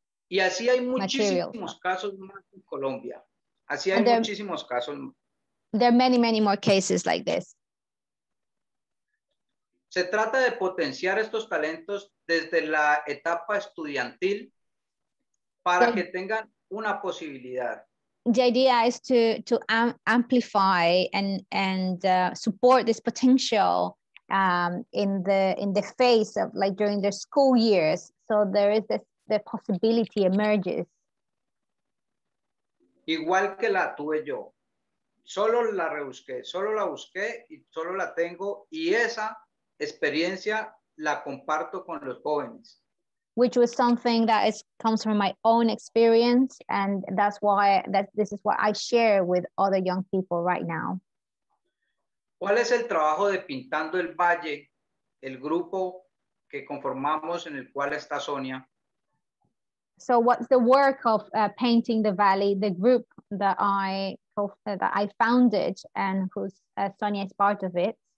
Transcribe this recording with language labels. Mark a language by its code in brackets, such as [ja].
[es] Y así hay muchísimos casos más en Colombia. Así hay muchísimos casos. [en] There are many, many more cases like this. [es] Se trata de potenciar estos talentos desde la etapa estudiantil para que tengan una posibilidad. [en] The idea is to amplify and support this potential in the phase of like during the school years, so there is the possibility emerges. [es] Igual que la tuve yo, solo la rebusqué, solo la busqué y solo la tengo, y esa experiencia la comparto con los jóvenes. [en] Which was something that comes from my own experience, and that's why this is what I share with other young people right now. [es] ¿Cuál es el trabajo de Pintando el Valle, el grupo que conformamos en el cual está Sonia? [en] So what's the work of Painting the Valley, the group that I founded and whose Sonia is part of it?